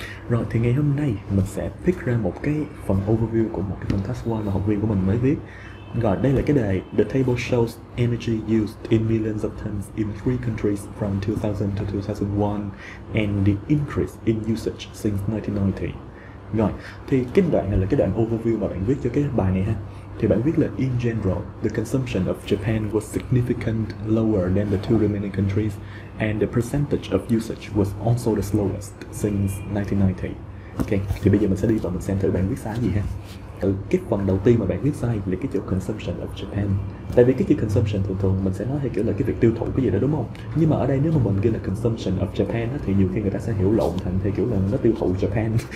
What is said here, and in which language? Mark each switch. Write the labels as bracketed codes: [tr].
[vi] Rồi, thì ngày hôm nay mình sẽ pick ra một cái phần overview của một cái phần task 1 mà học viên của mình mới viết. Rồi, đây là cái đề [en] The table shows energy used in millions of tons in three countries from 2000 to 2001 and the increase in usage since 1990. [vi] Rồi, thì cái đoạn này là cái đoạn overview mà bạn viết cho cái bài này ha. Thì bạn viết là [en] in general, the consumption of Japan was significantly lower than the two remaining countries and the percentage of usage was also the slowest since 1990. [vi] Ok, thì bây giờ mình sẽ đi vào mình xem thử bạn viết sai gì ha. Cái phần đầu tiên mà bạn viết sai là cái chữ consumption of Japan. Tại vì cái chữ consumption thường thường mình sẽ nói theo kiểu là cái việc tiêu thụ cái gì đó đúng không? Nhưng mà ở đây nếu mà mình ghi là consumption of Japan á, thì nhiều khi người ta sẽ hiểu lộn thành theo kiểu là nó tiêu thụ Japan.